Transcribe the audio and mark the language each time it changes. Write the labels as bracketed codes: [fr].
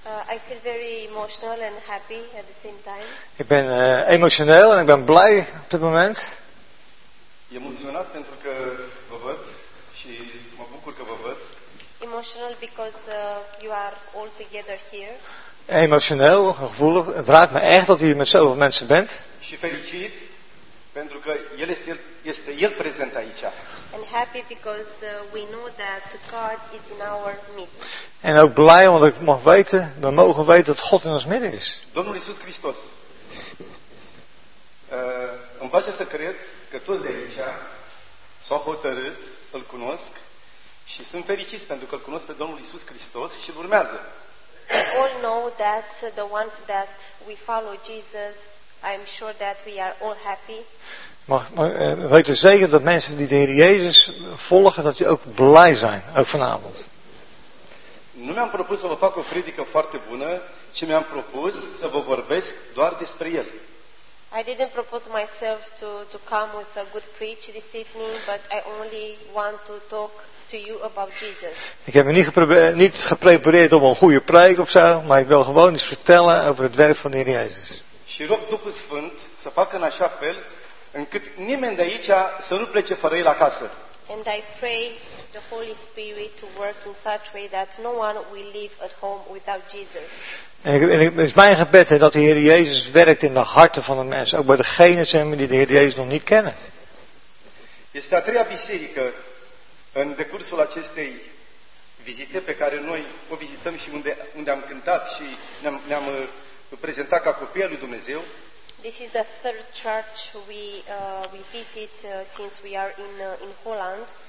[en] I feel very emotional and happy at the same time. [nl] Ik ben emotioneel en ik ben blij op dit moment. [ro] Emotional pentru că vă văd și mă bucur că vă văd. [en] Emotional because you are all together here. [nl] Emotioneel, gevoelig. Het raakt me echt dat u hier met zoveel mensen bent. [ro] Și fericit pentru că el este el prezent aici. [en] And happy because we know that God is in our midst. [nl] En ook blij omdat ik mag weten, we mogen weten dat God in ons midden is. [ro] Domnul Iisus Hristos. Îmi place să cred că toți de aici s-au hotărât, îl cunosc și sunt fericiți pentru că îl cunosc pe Domnul Iisus Hristos și îl urmează. [en] We all know that the ones that we follow Jesus, I'm sure that we are all happy. [nl] Maar weet u zeker dat mensen die de Heer Jezus volgen, dat die ook blij zijn, ook vanavond. [ro] Nu mi-am propus să vă fac o predică foarte bună, ci mi-am propus să vă vorbesc doar despre El. [en] I didn't propose myself to come with a good preach this evening, but I only want to talk to you about Jesus. [nl] Ik heb me niet geprepareerd om een goede preek of zo, maar ik wil gewoon iets vertellen over het werk van de Heer Jezus. [ro] Și rog Duhul Sfânt să facă în așa fel încât nimeni de aici să nu plece fără el acasă. [en] And I pray the Holy Spirit to work in such way that no one will leave at home without Jesus. [nl] En is mijn gebed he, dat de Heer Jezus werkt in de harten van de mensen, ook bij degenen zijn die de Heer Jezus nog niet kennen. [ro] Este a treia biserică în decursul acestei vizite pe care noi o vizităm și unde am cântat și ne-am prezentat ca copiii lui Dumnezeu. [en] This is the third church we visit since we are in Holland.